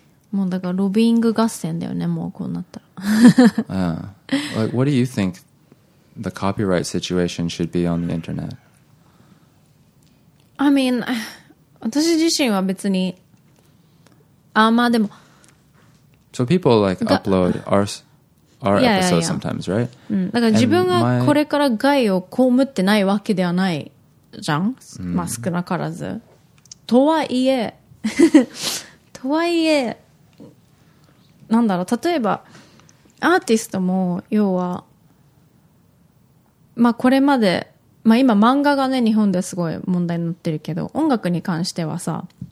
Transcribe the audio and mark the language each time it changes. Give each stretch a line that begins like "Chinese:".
Japanese: もうだからロビーング合戦だよね、もうこうなったら。
English: Like, what do you think the copyright situation should be on the internet? I mean,
Japanese: 私自身は別に、あ、まあでも。
English: So people like upload our episodes yeah, yeah, yeah. sometimes, right?
Japanese: うん、だから自分がこれから害を被ってないわけではないじゃん、まあ少なからず。とはいえ、とはいえ、なんだろう、例えばアーティストも要はまあこれまで、まあ今漫画がね日本ですごい問題になってるけど、音楽に関してはさ、